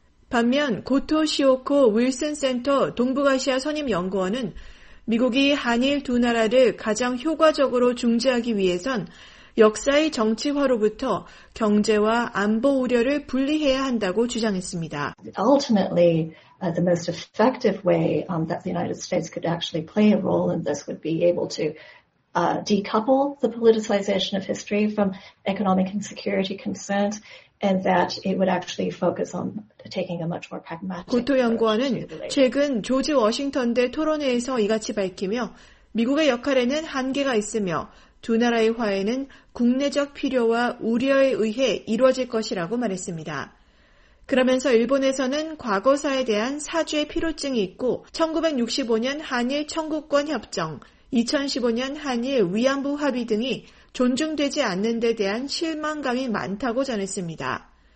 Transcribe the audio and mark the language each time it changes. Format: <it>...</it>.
<ko>반면 고토 시오코 윌슨 센터 동북아시아 선임 연구원은 미국이 한일 두 나라를 가장 효과적으로 중재하기 위해선 역사의 정치화로부터 경제와 안보 우려를 분리해야 한다고 주장했습니다.</ko> <en>Ultimately, the most effective way that the United States could actually play a role in this would be able to decouple the politicization of history from economic and security concerns and that it would actually focus on taking a much more pragmatic approach.</en> <ko>고토 연구원은 최근 조지 워싱턴 대 토론회에서 이같이 밝히며 미국의 역할에는 한계가 있으며 두 나라의 화해는 국내적 필요와 우려에 의해 이루어질 것이라고 말했습니다. 그러면서 일본에서는 과거사에 대한 사죄의 필요증이 있고 1965년 한일 청구권 협정, 2015년 한일 위안부 합의 등이 존중되지 않는 데 대한 실망감이 많다고 전했습니다.</ko>